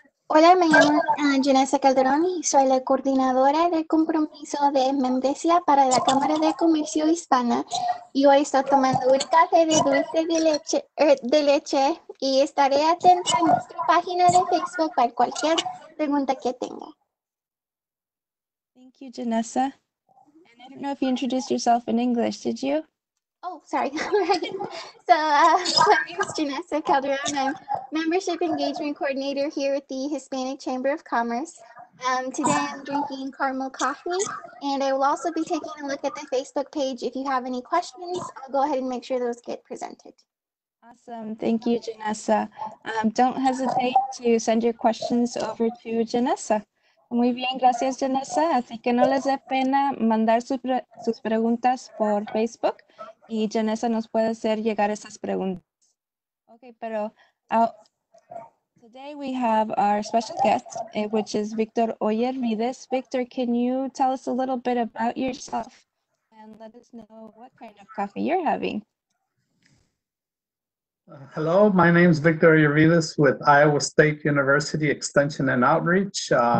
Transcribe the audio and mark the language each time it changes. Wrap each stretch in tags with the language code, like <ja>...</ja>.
<es>Hola, me llamo Janessa Calderon y soy la coordinadora de compromiso de membresía para la Cámara de Comercio Hispana. Y hoy estoy tomando un café de dulce de leche y estaré atenta a nuestra página de Facebook para cualquier pregunta que tenga.</es> <en>Thank you, Janessa. And I don't know if you introduced yourself in English, did you? Oh, sorry. So, my name is Janessa Calderon. I'm Membership Engagement Coordinator here at the Hispanic Chamber of Commerce. Today I'm drinking caramel coffee, and I will also be taking a look at the Facebook page. If you have any questions, I'll go ahead and make sure those get presented. Awesome. Thank you, Janessa. Don't hesitate to send your questions over to Janessa.</en> <es>Muy bien, gracias, Janessa. Así que no les dé pena mandar sus preguntas por Facebook y Janessa nos puede hacer llegar esas preguntas.</es> <en>Okay, pero today we have our special guest, which is Victor Oyervides. Victor, can you tell us a little bit about yourself and let us know what kind of coffee you're having? Hello, my name is Victor Oyervides with Iowa State University Extension and Outreach.</en>